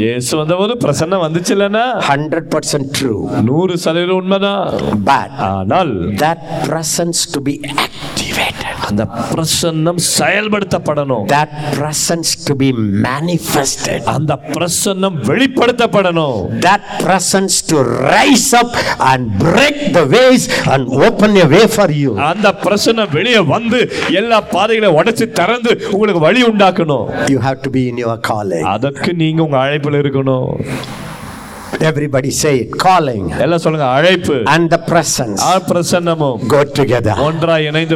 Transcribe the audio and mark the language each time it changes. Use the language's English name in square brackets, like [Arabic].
[Tamil] இயேசு வந்தபோது பிரசன்னம் வந்துச்சுலனா? [English] 100% true. [Tamil] 100% உண்மைதான். [English] But [Tamil] ஆனால் [English] that presence to be activated. [Tamil] அந்த பிரசன்னம் செயல்படுத்தப்படணும். [English] That presence to be manifested. [Tamil] அந்த பிரசன்னம் வெளிப்படுத்தப்படணும். [English] That presence to rise up and break the ways and open your way for you. [Tamil] அந்த பிரசன்னம் வெளியே வந்து எல்லா பாதைகளையும் உடைச்சு திறந்து உங்களுக்கு வழி உண்டாக்கணும். [English] You have to be in your calling. [Tamil] அதுக்கு நீங்க உங்க அழைப்புல இருக்கணும். [English] Everybody say it, calling. [Tamil] Ella solunga alaippu [English] and the presence. [Tamil] Aa prasannamo [English] go together. [Tamil] Ondra inaindhu